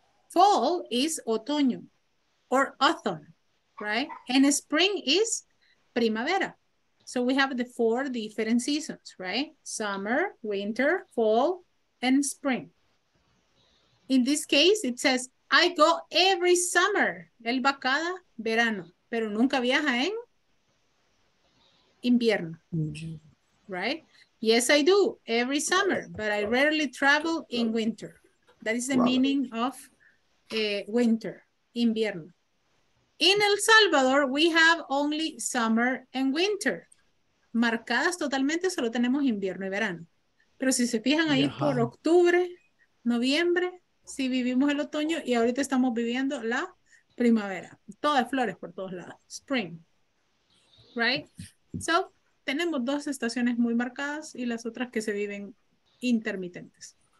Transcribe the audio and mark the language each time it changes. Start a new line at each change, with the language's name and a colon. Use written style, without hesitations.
English: Fall is otoño or autumn, right? And spring is primavera. So we have the four different seasons, right? Summer, winter, fall, and spring. In this case, it says, I go every summer.
Spanish: Él va cada verano, pero nunca viaja en invierno,
English: right? Yes, I do every summer, but I rarely travel in winter. That is the meaning of winter, invierno. In El Salvador, we have only summer and winter.
Spanish: Marcadas totalmente, solo tenemos invierno y verano. Pero si se fijan ahí por octubre, noviembre, sí vivimos el otoño y ahorita estamos viviendo la primavera. Todas flores por todos lados.
English: Spring. Right?
Spanish: So, tenemos dos estaciones muy marcadas y las otras que se viven intermitentes.